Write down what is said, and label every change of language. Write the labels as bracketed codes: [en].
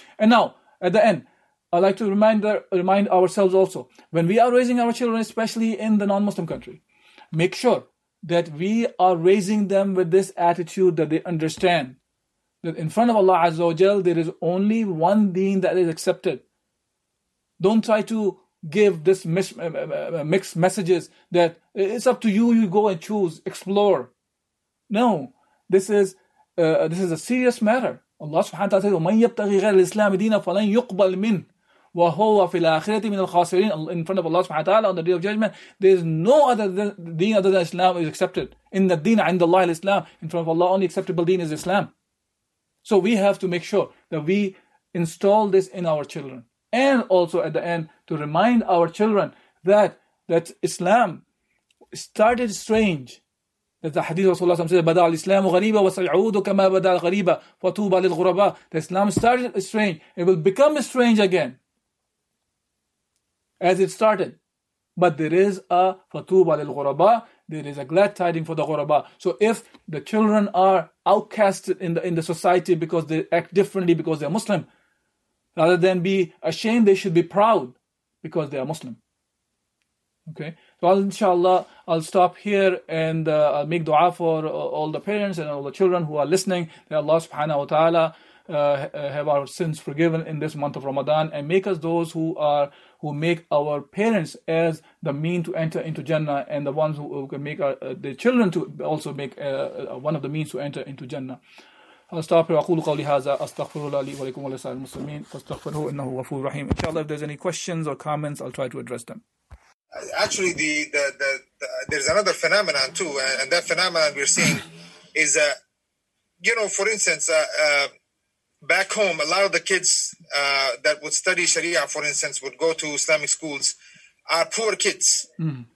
[en] And now, at the end, I'd like to remind ourselves also, when we are raising our children, especially in the non-Muslim country, make sure that we are raising them with this attitude that they understand that in front of Allah Azza wa Jal, there is only one deen that is accepted. Don't try to give this mixed messages that it's up to you, you go and choose, explore. No, this is a serious matter. Allah subhanahu wa ta'ala says, [ar] وَمَنْ يَبْتَغِي غَيْرَ الْإِسْلَامِ دِينَ فَلَنْ يُقْبَلْ مِنْ وَهُوَ فِي الْآخِرَةِ مِنَ الْخَاسِرِينَ. [en] In front of Allah subhanahu wa ta'ala on the day of judgment, there is no other deen other than Islam is accepted. In the deen [ar] عند الله الإسلام, [en] in front of Allah, only acceptable deen is Islam. So we have to make sure that we install this in our children. And also at the end, to remind our children that Islam started strange. That the hadith of Rasulullah says, [ar] بَدَعَ الْإِسْلَامُ غَرِيبًا وَسَيْعُودُ كَمَا بَدَعَ الْغَرِيبًا فَتُوبَ لِلْغُرَبَىٰ. [en] The Islam started strange. It will become strange again as it started. But there is a [ar] فَتُوبَ لِلْغُرَبَىٰ. [en] There is a glad tiding for the ghuraba. So if the children are outcasted in the society because they act differently because they are Muslim, rather than be ashamed, they should be proud because they are Muslim. Okay. So inshallah, I'll stop here and I'll make dua for all the parents and all the children who are listening. That Allah subhanahu wa ta'ala have our sins forgiven in this month of Ramadan and make us those who make our parents as the mean to enter into Jannah, and the ones who can make their children to also make one of the means to enter into Jannah. [ar] أستغفر وأقول قولي هذا أستغفر الله لي ولكم ولسائر المسلمين فاستغفره إنه غفور رحيم. [en] Inshallah, if there's any questions or comments, I'll try to address them. Actually, the there's another phenomenon too, and that phenomenon we're seeing is for instance, back home, a lot of the kids that would study Sharia, for instance, would go to Islamic schools, are poor kids. Mm.